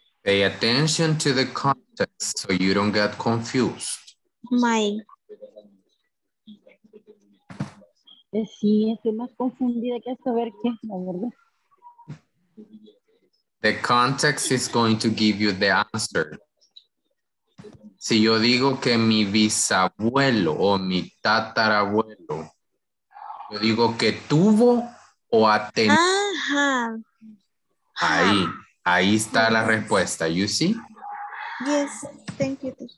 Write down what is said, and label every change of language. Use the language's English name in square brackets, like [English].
[English] Pay attention to the context so you don't get confused. My. [Spanish] Sí, estoy más confundida que saber qué es la verdad. [English] The context is going to give you the answer. [Spanish] Si yo digo que mi bisabuelo o mi tatarabuelo, yo digo que tuvo o ha tenido. Uh-huh. Ahí está la respuesta. [English] You see? Yes, thank you.